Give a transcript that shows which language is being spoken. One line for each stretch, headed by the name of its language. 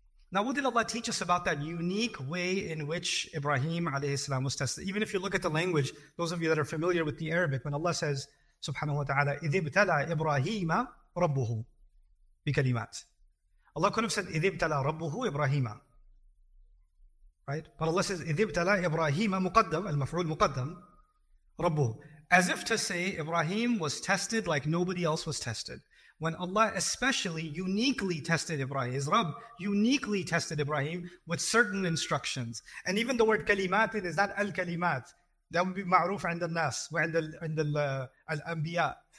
English: Now, what did Allah teach us about that unique way in which Ibrahim, alayhi salam, was tested? Even if you look at the language, those of you that are familiar with the Arabic, when Allah says, subhanahu wa ta'ala,
Arabic: إِذِ ابْتَلَى إِبْرَاهِيمَ رَبُّهُ بِكَلِمَاتِ.
English: Allah could have said,
Arabic: إِذِبْتَلَى رَبُّهُ إِبْرَاهِيمًا.
English: Right? But Allah says,
Arabic: إِذِ ابْتَلَى إِبْرَاهِيمَ مُقَدَّمْ المفعول مقدم ربه.
English: As if to say, Ibrahim was tested like nobody else was tested. When Allah especially uniquely tested Ibrahim, his Rabb uniquely tested Ibrahim with certain instructions. And even the word kalimat is not al-kalimat. That would be
Arabic: ma'roof عند الناس, عند الأنبياء.